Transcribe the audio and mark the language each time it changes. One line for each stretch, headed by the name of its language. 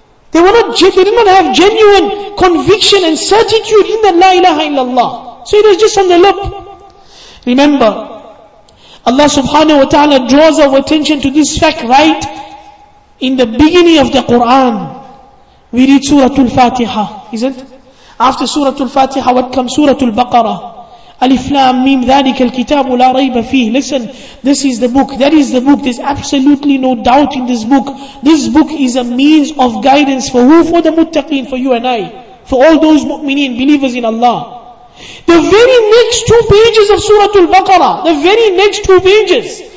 English: They did not have genuine conviction and certitude in the la ilaha illallah. So it was just on the lip. Remember, Allah subhanahu wa ta'ala draws our attention to this fact right in the beginning of the Quran. We read Surah Al-Fatiha, isn't it? After Surah Al-Fatiha, what comes? Surah Al-Baqarah.
Arabic: Alif Lam Mim, ذَلِكَ الْكِتَابُ لَا رَيْبَ فِيهِ.
English: Listen, this is the book. That is the book. There's absolutely no doubt in this book. This book is a means of guidance for who? For the muttaqeen, for you and I. For all those mu'mineen, believers in Allah. The very next two pages of Surah Al-Baqarah, the very next two pages.